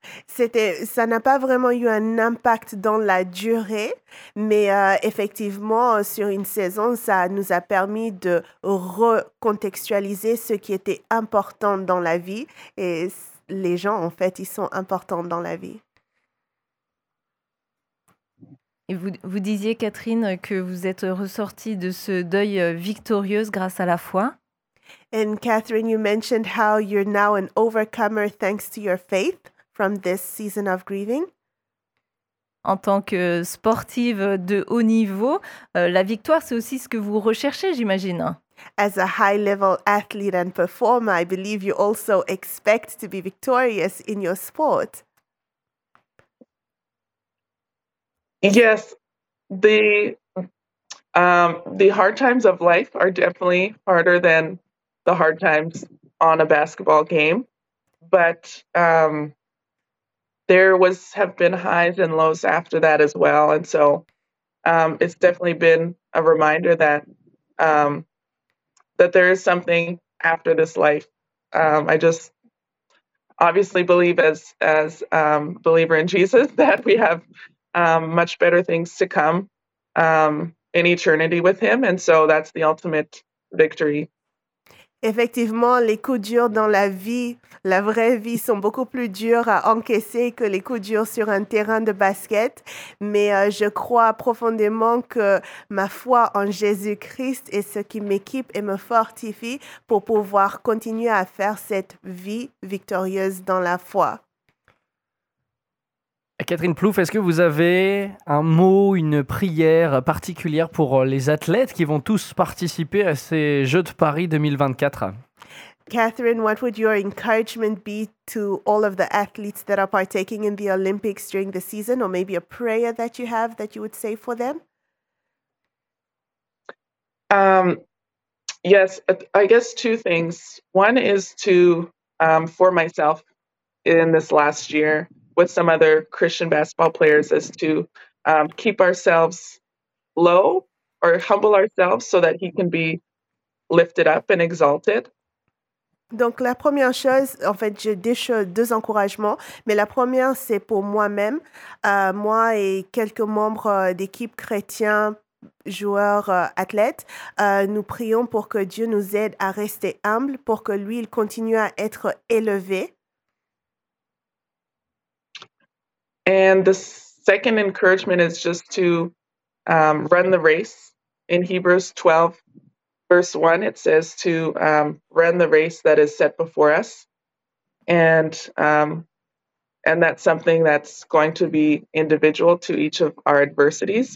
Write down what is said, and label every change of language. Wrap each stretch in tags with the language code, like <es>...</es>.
<fr>Ça n'a pas vraiment eu un impact dans la durée, mais effectivement, sur une saison, ça nous a permis de recontextualiser ce qui était important dans la vie. Et les gens, en fait, ils sont importants dans la vie. Et vous disiez, Catherine, que vous êtes ressortie de ce deuil victorieuse grâce à la foi.</fr> <en>And Catherine, you mentioned how you're now an overcomer thanks to your faith from this season of grieving.</en> <fr>En tant que sportive de haut niveau, la victoire, c'est aussi ce que vous recherchez, j'imagine.</fr> <en>As a high-level athlete and performer, I believe you also expect to be victorious in your sport. Yes, the hard times of life are definitely harder than the hard times on a basketball game, but there have been highs and lows after that as well, and so it's definitely been a reminder that that there is something after this life. I just obviously believe as believer in Jesus that we have much better things to come in eternity with him, and so that's the ultimate victory.</en> <fr>Effectivement, les coups durs dans la vie, la vraie vie, sont beaucoup plus durs à encaisser que les coups durs sur un terrain de basket. Mais je crois profondément que ma foi en Jésus-Christ est ce qui m'équipe et me fortifie pour pouvoir continuer à faire cette vie victorieuse dans la foi. Catherine Plouffe, est-ce que vous avez un mot, une prière particulière pour les athlètes qui vont tous participer à ces Jeux de Paris 2024?</fr> <en>Catherine, what would your encouragement be to all of the athletes that are partaking in the Olympics during the season, or maybe a prayer that you have that you would say for them? Yes, I guess two things. One is to for myself in this last year with some other Christian basketball players is to keep ourselves low or humble ourselves so that he can be lifted up and exalted.</en> <fr>Donc la première chose, en fait, j'ai deux encouragements, mais la première, c'est pour moi-même. Moi et quelques membres d'équipe chrétiens, joueurs, athlètes, nous prions pour que Dieu nous aide à rester humbles, pour que lui, il continue à être élevé.</fr> <en>And the second encouragement is just to run the race. In Hebrews 12, verse 1, it says to run the race that is set before us. And that's something that's going to be individual to each of our adversities.</en>